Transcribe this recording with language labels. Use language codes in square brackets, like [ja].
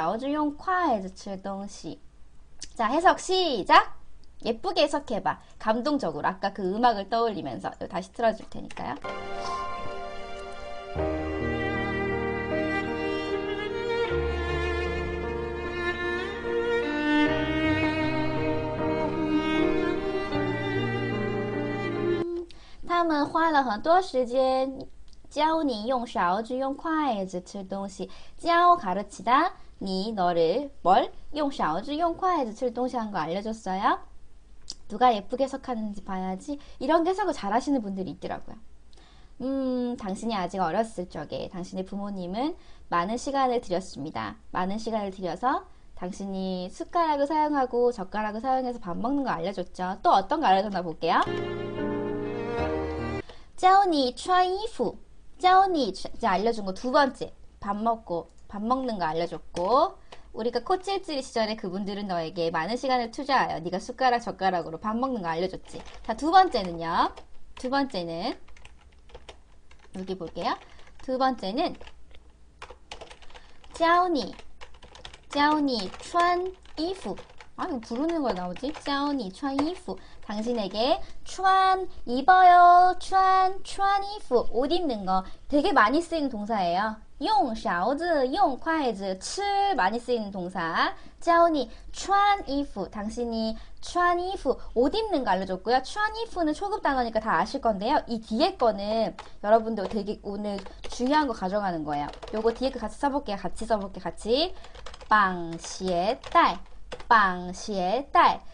[zh] 当你很小的时候，他们花了很多时间教你用勺子、用筷子吃东西。 [ko] 자, 해석 시작! 예쁘게 해석해봐. 감동적으로. 아까 그 음악을 떠올리면서. 이거 다시 틀어줄 테니까요. [zh] 他们花了很多时间 教你用勺子用筷子吃东西. [ko] 教 가르치다, 니 너를 뭘 [zh] 用勺子用筷子吃东西 [ko] 하는 거 알려줬어요. 누가 예쁘게 해석하는지 봐야지. 이런 해석을 잘하시는 분들이 있더라고요. 당신이 아직 어렸을 적에 당신의 부모님은 많은 시간을 들였습니다. 많은 시간을 들여서 당신이 숟가락을 사용하고 젓가락을 사용해서 밥 먹는 거 알려줬죠. 또 어떤 거 알려줬나 볼게요. [zh] 教你穿衣服. [ko] 教你, 이제 알려준 거두 번째. 밥 먹고, 밥 먹는 거 알려줬고. 우리가 코찔찔이 시절에 그분들은 너에게 많은 시간을 투자하여 네가 숟가락, 젓가락으로 밥 먹는 거 알려줬지. 자, 두 번째는요. 두 번째는, 여기 볼게요. 두 번째는, [zh] 教你穿衣服. [ko] 아, 이거 부르는 거 나오지? [zh] 教你穿衣服. [ko] 당신에게 [zh] 穿 [ko] 입어요. [zh] 穿衣服. [ko] 옷 입는 거. 되게 많이 쓰이는 동사예요. [zh] 用勺子用筷子吃 [ko] 많이 쓰이는 동사. [zh] 教你穿衣服. [ko] 당신이 [zh] 穿衣服 [ko] 옷 입는 거 알려줬고요. 穿衣服는 초급 단어니까 다 아실 건데요. 이 뒤에 거는 여러분들 되게 오늘 중요한 거 가져가는 거예요. 요거 뒤에 거 같이 써볼게요. 같이 써볼게요. 같이. 빵시에딸. 빵시에딸.